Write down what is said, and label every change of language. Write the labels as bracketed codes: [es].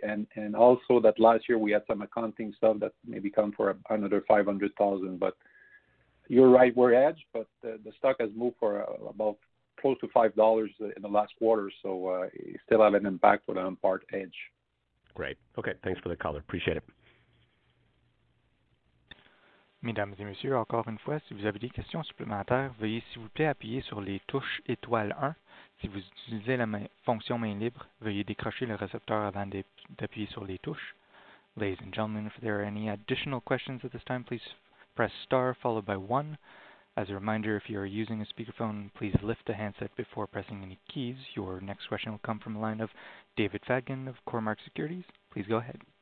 [en] And also that last year we had some accounting stuff that maybe come for another 500,000. But you're right, we're hedged, but the stock has moved for about close to $5 in the last quarter, so you still have an impact with an part edge. Great. Okay, thanks for the color. Appreciate it. [fr] Mesdames et messieurs, encore une fois, si vous avez des questions supplémentaires, veuillez s'il vous plaît appuyer sur les touches étoile 1. Si vous utilisez la fonction main libre, veuillez décrocher le récepteur avant d'appuyer sur les touches. [en] Ladies and gentlemen, if there are any additional questions at this time, please press star followed by 1. As a reminder, if you are using a speakerphone, please lift the handset before pressing any keys. Your next question will come from the line of David Fagan of Cormark Securities. Please go ahead.